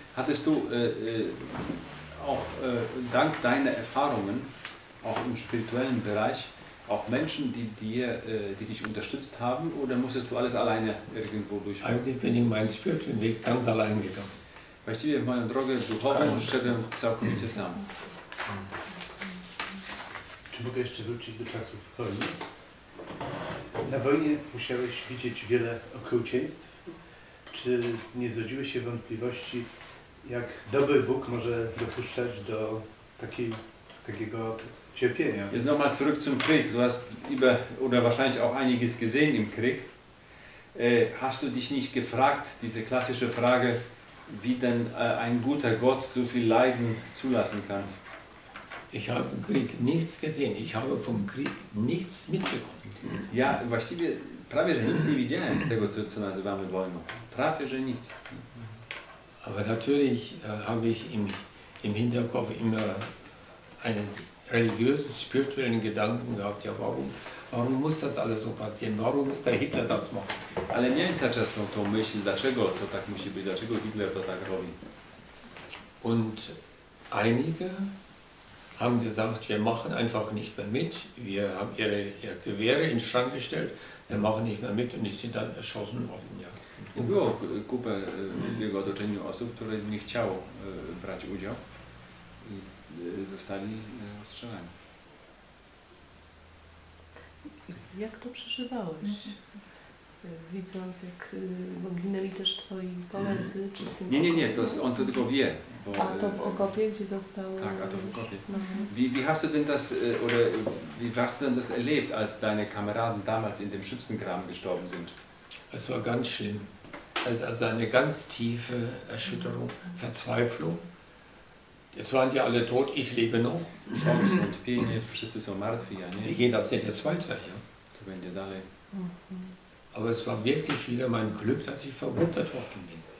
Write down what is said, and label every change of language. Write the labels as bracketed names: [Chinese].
[German] Hattest du auch dank deiner Erfahrungen, auch im spirituellen Bereich, auch Menschen, die dich unterstützt haben, oder musstest du alles alleine irgendwo durchführen? Eigentlich bin ich meinen spirituellen Weg ganz allein gegangen. [Polish] Właściwie w moją drogę duchową szedłem całkowicie sam. Czy mogę jeszcze wrócić do czasów wojny? Na wojnie musiałeś widzieć wiele okrucieństw. Czy nie zrodziły się wątpliwości, jak dobry Bóg może dopuszczać do takiego cierpienia? [German] Jetzt nochmal zurück zum Krieg. Du hast über oder wahrscheinlich auch einiges gesehen im Krieg. Hast du dich nicht gefragt, diese klassische Frage, wie denn ein guter Gott so viel Leiden zulassen kann? Ich habe im Krieg nichts gesehen. Ich habe vom Krieg nichts mitbekommen. [Polish] Ja, właściwie prawie że nic nie widziałem z tego, co nazywamy wojną. Prawie że nic. [German] Aber natürlich habe ich im Hinterkopf immer einen religiösen, spirituellen Gedanken gehabt. Ja, warum muss das alles so passieren? Warum muss der Hitler das machen? [Polish] Ale miałem cały czas tą myśl, dlaczego to tak musi być, dlaczego Hitler to tak robi. [German] Und einige haben gesagt, wir machen einfach nicht mehr mit, wir haben ihre Gewehre in den Schrank gestellt, wir machen nicht mehr mit und ich sind dann erschossen worden. Ja. [Polish] Było kupę w jego otoczeniu osób, które nie chciało brać udział i zostali ostrzelani. Jak to przeżywałeś? Widząc, jak ginęli też twoi koledzy, czy w tym Nie, to on to tylko wie. Bo, a to w Okopie, gdzie zostało? Tak, a to w Okopie. No. [German] Wie hast du denn das, oder wie hast du denn das erlebt, als deine Kameraden damals in dem Schützengraben gestorben sind? Es war ganz schlimm. Es war also eine ganz tiefe Erschütterung, Verzweiflung. Jetzt waren die alle tot, ich lebe noch. [Polish] Und Pienie, wszyscy są martwi, ja nie? [German] Wie geht das denn jetzt weiter? Ja? [Polish] Co będzie dalej? [German] Aber es war wirklich wieder mein Glück, dass ich verwundet worden bin.